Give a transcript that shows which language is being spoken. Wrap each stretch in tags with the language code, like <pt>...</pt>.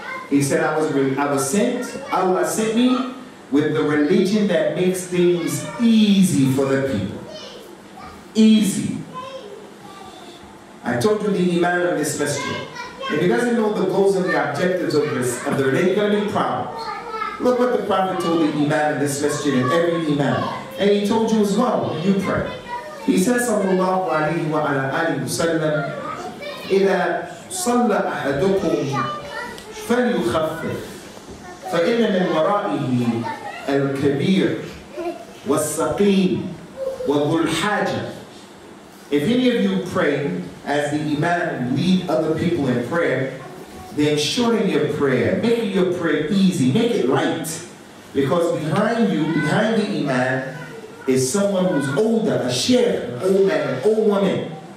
<en>He said, I was sent, Allah sent me with the religion that makes things easy for the people. Easy. I told you the iman of this masjid. If he doesn't know the goals and the objectives of this, of the religion, there are going to be problems. Look what the Prophet told the iman of this masjid and every iman. And he told you as well, when you pray. He says,</en> <ar>sallallahu alayhi wa alayhi wa sallam, إِذَا صَلَّ أَحَدُكُمْ فَلْيُخَفِّفْ فَإِنَّ مِنْ وَرَائِهِ الْكَبِيرُ وَالسَّقِيمُ وَذُو الْحَاجَةِ.</ar> <en>If any of you pray as the imam lead other people in prayer, then shorten your prayer, make your prayer easy, make it light. Because behind you, behind the imam, is someone who's older, a sheikh, an old man, an old woman.</en>